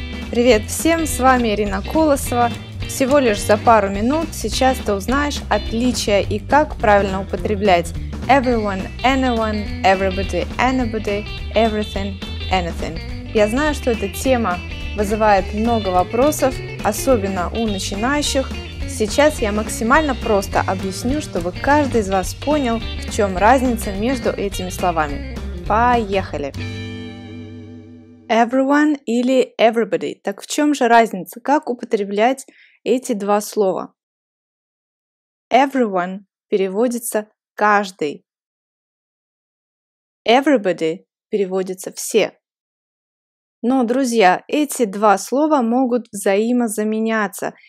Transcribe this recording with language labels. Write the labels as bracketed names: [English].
[Russian] Привет всем, с вами Ирина Колосова. Всего лишь за пару минут сейчас ты узнаешь отличия и как правильно употреблять [English] everyone, anyone, everybody, anybody, everything, anything. [Russian] Я знаю, что эта тема вызывает много вопросов, особенно у начинающих. Сейчас я максимально просто объясню, чтобы каждый из вас понял, в чем разница между этими словами. Поехали! [English] Everyone [Russian] или [English] everybody. [Russian] Так в чем же разница? Как употреблять эти два слова? [English] Everyone [Russian] переводится каждый. [English] Everybody [Russian] переводится все. Но, друзья, эти два слова могут взаимозаменяться.